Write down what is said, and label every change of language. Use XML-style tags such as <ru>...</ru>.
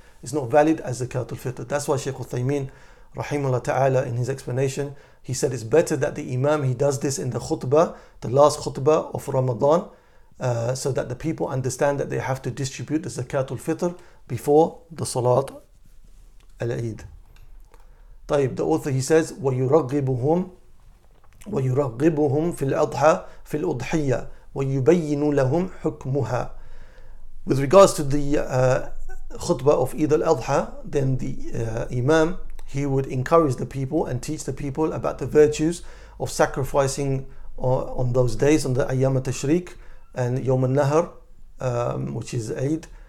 <en>It's not valid as Zakat al-Fitr. That's why Shaykh Uthaymeen, rahimahullah ta'ala, in his explanation, he said it's better that the Imam, he does this in the khutbah, the last khutbah of Ramadan, so that the people understand that they have to distribute the Zakat al-Fitr before the Salat al-Eid. Tayyib, the author, he says,</en> <ar>وَيُرَغِّبُهُمْ فِي الْأَضْحَى فِي الْأُضْحِيَّةِ وَيُبَيِّنُ لَهُمْ حُكْمُهَا.</ar> <en>With regards to the khutbah of Eid al-Adha, then the Imam, he would encourage the people and teach the people about the virtues of sacrificing on those days, on the Ayyam al-Tashriq and Yawm al-Nahr, which is Eid.</en>